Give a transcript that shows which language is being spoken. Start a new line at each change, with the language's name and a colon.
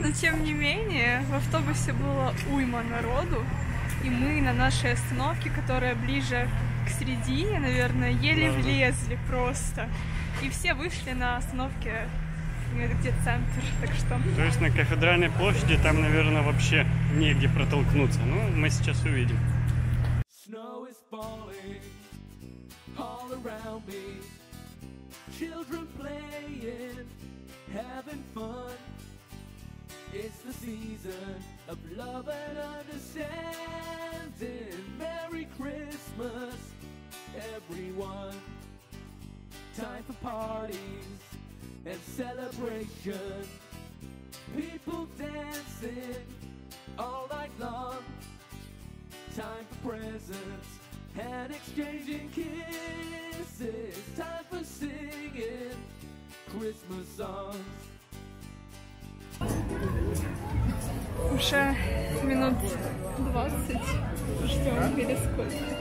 Russian: Но тем не менее, в автобусе было уйма народу, и мы на нашей остановке, которая ближе к середине, наверное, еле влезли просто. И все вышли на остановке, где центр, так что... То есть на Кафедральной площади там, наверное, вообще негде протолкнуться. Ну, мы сейчас увидим.
English: Snow is falling all around me. Children playing, having fun. It's the season of love and understanding. Merry Christmas, everyone. Time for parties and celebration. People dancing all night long. Time for presents and exchanging kisses. Time for singing Christmas songs.
Russian: Уже минут 20 ждем перескок.